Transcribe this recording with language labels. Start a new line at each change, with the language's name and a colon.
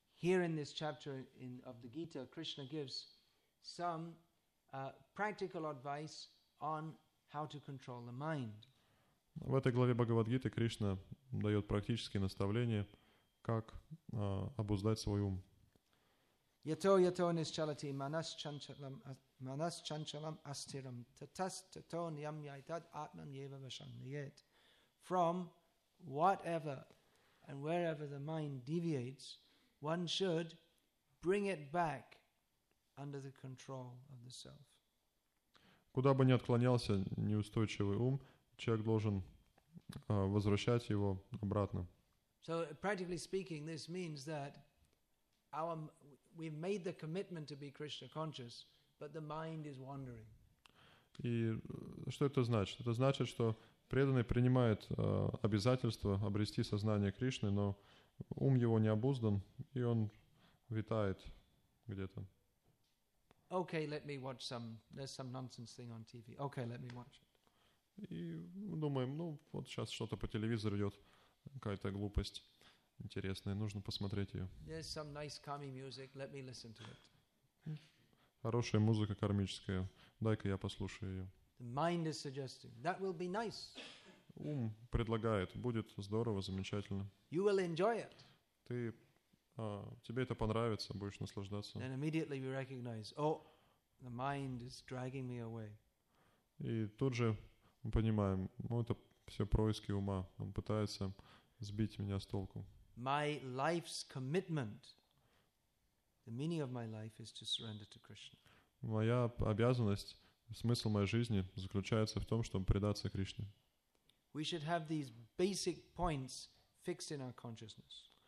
English: Here in this chapter of the Gita, Krishna gives some practical advice on how to control the mind.
Russian: В этой главе Бхагавад-гиты Кришна дает практические наставления, как обуздать свой ум.
Sanskrit: Yato yato nischalati manas chanchalam astiram tatas tato niyamyaitad atman yeva vashanyet.
English: From whatever and wherever the mind deviates, one should bring it back under the control of the self.
Russian: Куда бы ни отклонялся неустойчивый ум, человек должен возвращать его обратно.
English: So, practically speaking, this means that we've made the commitment to be Krishna conscious, but the mind is wandering.
Russian: И что это значит? Это значит, что преданный принимает обязательство обрести сознание Кришны, но ум его не обуздан, и он витает где-то.
English: Okay, let me watch some. There's some nonsense thing on TV. Okay, let me watch it.
Russian: И думаем, ну вот сейчас что-то по телевизору идет, какая-то глупость интересная, нужно посмотреть ее.
English: There's some nice calming music. Let me listen to it.
Russian: Хорошая музыка кармическая. Дай-ка я послушаю ее.
English: The mind is suggesting that will be nice.
Russian: Ум предлагает, будет здорово, замечательно.
English: You will enjoy it.
Russian: Ты, тебе это понравится, будешь наслаждаться.
English: Then immediately we recognize, oh, the mind is dragging me away.
Russian: И тут же мы понимаем, ну это все происки ума, он пытается сбить меня с толку.
English: My life's commitment, The meaning of my life is to surrender to Krishna.
Russian: Моя обязанность, смысл моей жизни заключается в том, чтобы предаться Кришне.
English: We should have these basic points fixed in our consciousness.